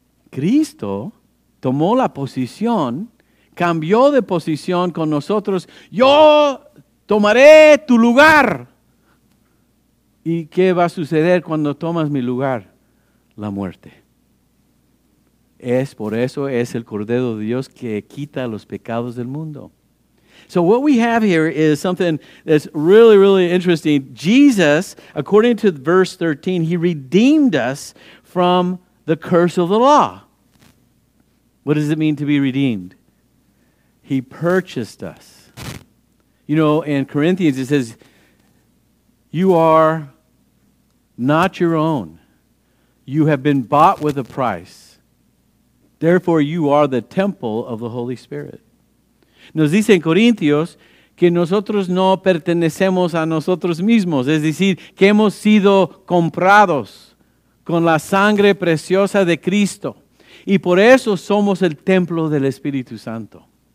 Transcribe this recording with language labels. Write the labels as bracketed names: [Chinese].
[Spanish] Cristo tomó la posición, cambió de posición con nosotros. Yo tomaré tu lugar. ¿Y qué va a suceder cuando tomas mi lugar? La muerte. Es por eso es el Cordero de Dios que quita los pecados del mundo. [English] So what we have here is something that's really, really interesting. Jesus, according to verse 13, he redeemed us from the curse of the law. What does it mean to be redeemed? He purchased us. You know, in Corinthians it says, you are not your own. You have been bought with a price. Therefore, you are the temple of the Holy Spirit. [Spanish] Nos dice en Corintios que nosotros no pertenecemos a nosotros mismos. Es decir, que hemos sido comprados con la sangre preciosa de Cristo. Y por eso somos el templo del Espíritu Santo.